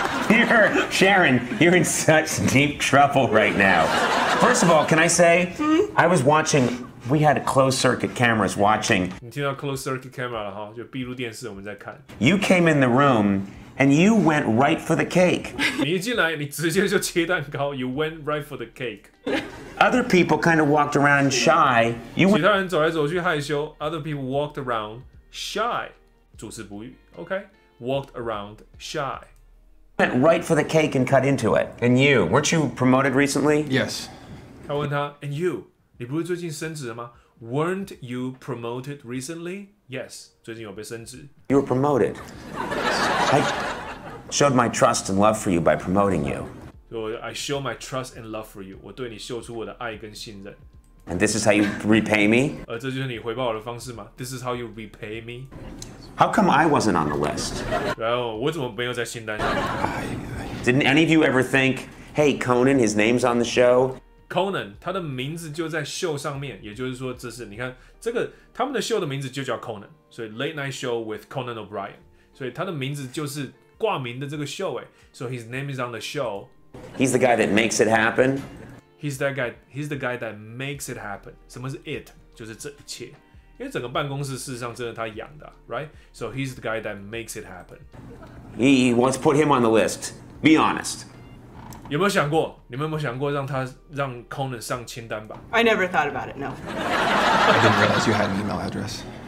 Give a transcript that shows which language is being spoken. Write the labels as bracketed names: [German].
[English] You're Sharon. You're in such deep trouble right now. First of all, can I say I was watching? We had closed circuit cameras watching. [Chinese] 你听到 closed circuit camera 了哈？就闭路电视，我们在看。 [English] You came in the room and you went right for the cake. [Chinese] 你一进来，你直接就切蛋糕。 [English] You went right for the cake. Other people kind of walked around shy. You went. [Chinese] 其他人走来走去害羞。 [English] Other people walked around shy. [Chinese] 主词补语 [English] ，OK? Walked around shy. Went right for the cake and cut into it. And you, weren't you promoted recently? Yes. [Chinese] 他问他 ， [English] And you, [Chinese] 你不是最近升职了吗 ？ [English] Weren't you promoted recently? Yes. [Chinese] 最近有被升职。 [English] You were promoted. I showed my trust and love for you by promoting you. So I show my trust and love for you. [Chinese] 我对你秀出我的爱跟信任。 [English] And this is how you repay me? [Chinese] 这就是你回报我的方式吗 ？ [English] This is how you repay me? How come I wasn't on the list? [Chinese] 然后我怎么没有在清单上 [English] ？Didn't any of you ever think, hey, Conan, his name's on the show? [Chinese] Conan, 他的名字就在秀上面，也就是说，这是你看这个他们的秀的名字就叫 Conan， 所以 Late Night Show with Conan O'Brien， 所以他的名字就是挂名的这个秀哎 ， [English] So his name is on the show. He's the guy that makes it happen. He's that guy. He's the guy that makes it happen. [Chinese] 什么是 [English] it？ [Chinese] 就是这一切，因为整个办公室事实上真的他养的 ，right？ [English] So he's the guy that makes it happen. He wants to put him on the list. Be honest. [Chinese] 有没有想过？你们有没有想过让 Conan 上清单吧 [English] ？I never thought about it. No. I didn't realize you had an email address.